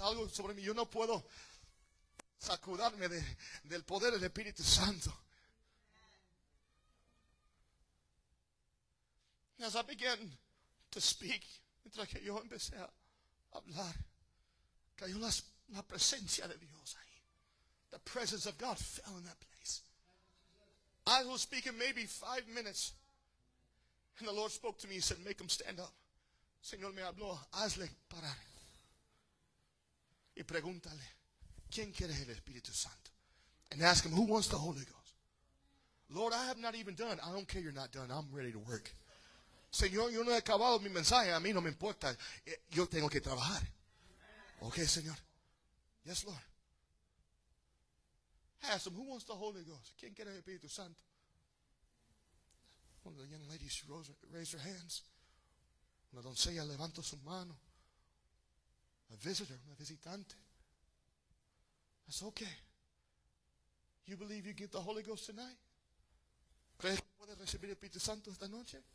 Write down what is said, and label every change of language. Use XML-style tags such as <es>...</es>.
<es>Algo sobre mí, yo no puedo sacudarme del poder del Espíritu Santo.</es> <en>As I began to speak,</en> <es>mientras que yo empecé a hablar, cayó la presencia de Dios ahí.</es> <en>The presence of God fell in that place. I was speaking maybe 5 minutes, and the Lord spoke to me. He said, make him stand up.</en> <es>Señor me habló, hazle parar. Y pregúntale, ¿quién quiere el Espíritu Santo?</es> <en>And ask him, who wants the Holy Ghost? Lord, I have not even done. I don't care you're not done. I'm ready to work.</en> <es>Señor, yo no he acabado mi mensaje. A mí no me importa. Yo tengo que trabajar. Okay, Señor.</es> <en>Yes, Lord. Ask him, who wants the Holy Ghost?</en> <es>¿Quién quiere el Espíritu Santo?</es> <en>One of the young ladies, she raised her hands.</en> <es>Una doncella levantó su mano.</es> <en>A visitor,</en> <es>una visitante.</es> <en>I said, okay. You believe you get the Holy Ghost tonight?</en> <es>¿Crees que puedes recibir el Espíritu Santo esta noche?</es>